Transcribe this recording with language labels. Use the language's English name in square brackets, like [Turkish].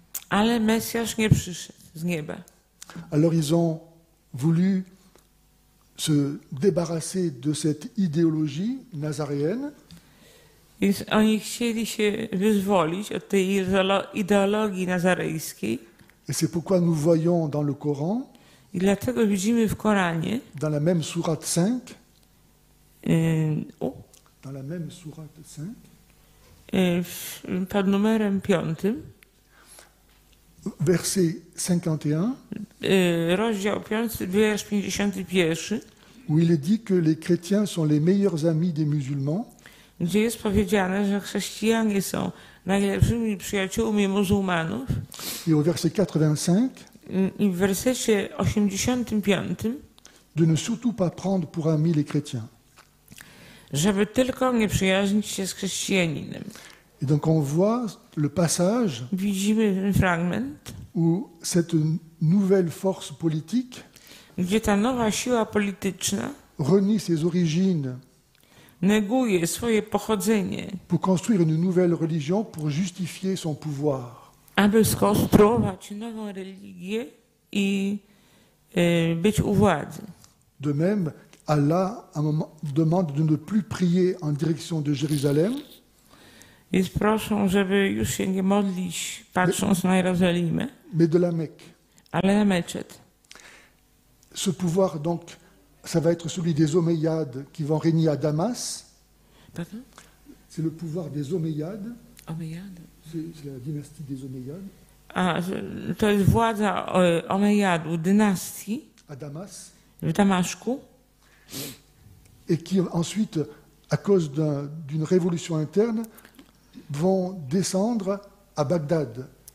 [Polish] Ale Mesjasz nie przyszedł z nieba. [French] Alors ils ont voulu se débarrasser de cette idéologie nazaréenne. [Polish] Więc oni chcieli się wyzwolić od tej ideologii nazarejskiej. [French] Et c'est pourquoi nous voyons dans le Coran, [Polish] i dlatego widzimy w Koranie, [French] dans la même sourate 5, dans la même sourate 5, [Polish] pod numerem 5, [French] verset 51, [Polish] rozdział 5, wiersz 51, [French] où il est dit que les chrétiens sont les meilleurs amis des musulmans, [Polish] gdzie jest powiedziane, że chrześcijanie są najlepszymi przyjaciółmi muzułmanów. I w wersie 85. I w wersecie 85. [French] De ne surtout pas prendre pour amis les chrétiens. [Polish] Żeby tylko nie przyjaźnić się z chrześcijaninem. [French] Et donc on voit le passage. [Polish] Widzimy ten fragment. [French] Où cette nouvelle force politique. [Polish] Gdzie ta nowa siła polityczna. [French] Renie ses origines. [Polish] Neguje swoje pochodzenie. [French] Pour construire une nouvelle religion pour justifier son pouvoir. [Polish] Aby skonstruować nową religię i być u władzy. [French] De même, Allah à un moment demande de ne plus prier en direction de Jérusalem. [Polish] Więc proszą, żeby już się nie modlić, patrząc na Jerozolimę. [French] Mais de la Mecque. [Polish] Ale na meczet. [French] Ce pouvoir donc. Ça va être celui des Omeyyades qui vont régner à Damas. Pardon? C'est le pouvoir des Omeyyades. Omeyyades. C'est la dynastie des Omeyyades. [Polish] Ah, to jest władza Omeyyades, dynastie. [French] À Damas. [Polish] W Damaszku. [French] Et qui ensuite, à cause d'une révolution interne, vont descendre à Bagdad.